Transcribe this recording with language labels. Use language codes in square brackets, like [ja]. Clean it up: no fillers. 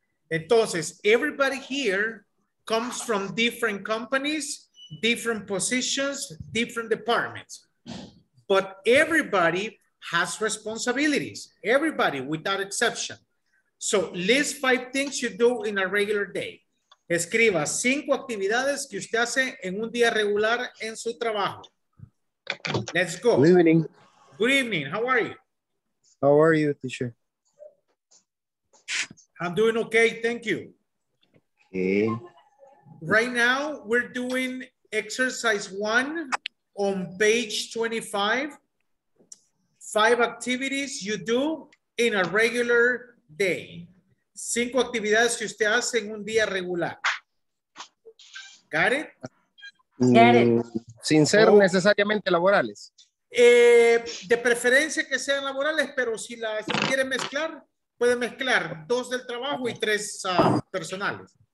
[en] Entonces, everybody here comes from different companies, different positions, different departments. But everybody has responsibilities. Everybody, without exception. So, list five things you do in a regular day. [es] Escriba cinco actividades que usted hace en un día regular en su trabajo. [en] Let's go. Good evening. Good evening. How are you? How are you, teacher? I'm doing okay. Thank you. Okay. Right now, we're doing exercise one on page 25. Five activities you do in a regular day. [es] Cinco actividades que usted hace en un día regular. [en] Got it? Got it. [es] Sin ser necesariamente laborales. De preferencia que sean laborales, pero si las quiere mezclar, puede mezclar dos del trabajo y tres personales.